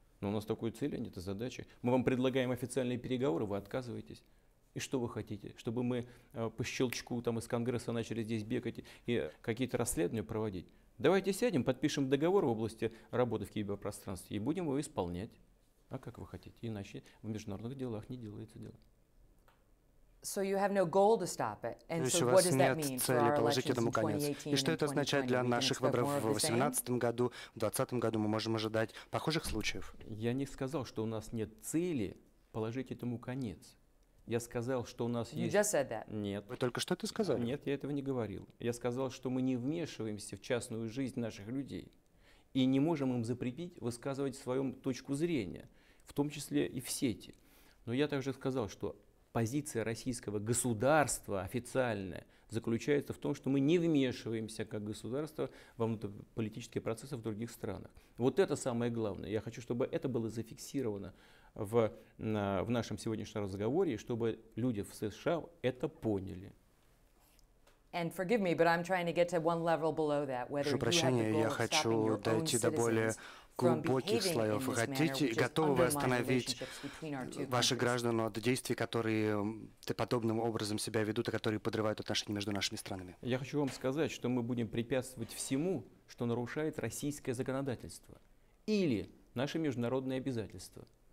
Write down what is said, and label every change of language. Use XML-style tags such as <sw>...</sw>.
<ru>Но у нас такой цели нет, это задача. Мы вам предлагаем официальные переговоры, вы отказываетесь. И что вы хотите? Чтобы мы по щелчку там из Конгресса начали здесь бегать и какие-то расследования проводить? Давайте сядем, подпишем договор в области работы в киберпространстве и будем его исполнять. А как вы хотите? Иначе в международных делах не делается дело.</ru> <en>So you have no goal to stop it. And so what does that mean for our elections in 2018?</en> <ru>И что это означает для наших выборов в 2018 году, в 2020 году? Мы можем ожидать похожих случаев? Я не сказал, что у нас нет цели положить этому конец. Я сказал, что у нас есть...</ru> <en>You just said that.</en> <ru>Нет. Вы только что это сказали? Нет, я этого не говорил. Я сказал, что мы не вмешиваемся в частную жизнь наших людей и не можем им запретить высказывать свою точку зрения, в том числе и в сети. Но я также сказал, что позиция российского государства официальная заключается в том, что мы не вмешиваемся как государство во внутриполитические процессы в других странах. Вот это самое главное. Я хочу, чтобы это было зафиксировано в нашем сегодняшнем разговоре, и чтобы люди в США это поняли.</ru> <en>And forgive me, but I'm trying to get to one level below that, whether you have the goal of stopping your own citizens.</en> <ru>Глубоких слоев. Вы хотите, готовы вы остановить ваших граждан от действий, которые подобным образом себя ведут, и которые подрывают отношения между нашими странами? Я хочу вам сказать, что мы будем препятствовать всему, что нарушает российское законодательство или наши международные обязательства.</ru>